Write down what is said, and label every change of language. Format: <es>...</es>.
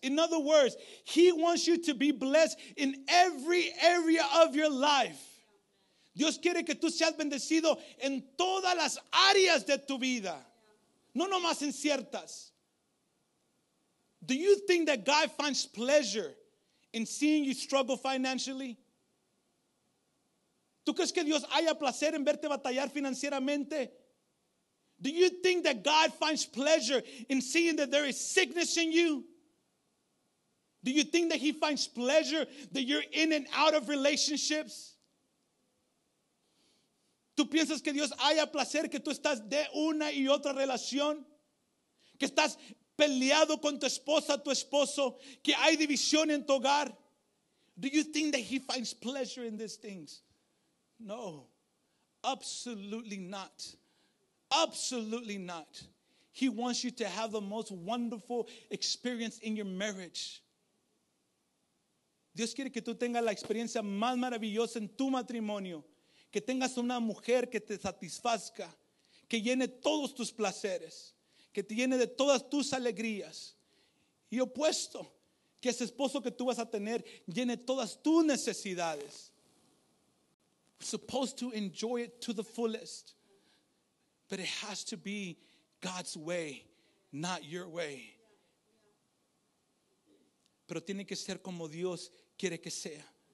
<en>In other words, he wants you to be blessed in every area of your life.</en> <es>Dios quiere que tú seas bendecido en todas las áreas de tu vida. No nomás en ciertas.</es> <en>Do you think that God finds pleasure in seeing you struggle financially?</en> <es>¿Tú crees que Dios haya placer en verte batallar financieramente?</es> <en>Do you think that God finds pleasure in seeing that there is sickness in you? Do you think that he finds pleasure that you're in and out of relationships?</en> <es>¿Tú piensas que Dios haya placer que tú estás de una y otra relación? ¿Que estás peleado con tu esposa, tu esposo? ¿Que hay división en tu hogar?</es> <en>Do you think that he finds pleasure in these things? No, absolutely not. Absolutely not. He wants you to have the most wonderful experience in your marriage.</en> <es>Dios quiere que tú tengas la experiencia más maravillosa en tu matrimonio. Que tengas una mujer que te satisfazca. que llene todos tus placeres, que te llene de todas tus alegrías. Y opuesto, que ese esposo que tú vas a tener llene todas tus necesidades.</es> <en>We're supposed to enjoy it to the fullest. But it has to be God's way, not your way.</en> <es>Pero tiene que ser como Dios quiere que sea.</es>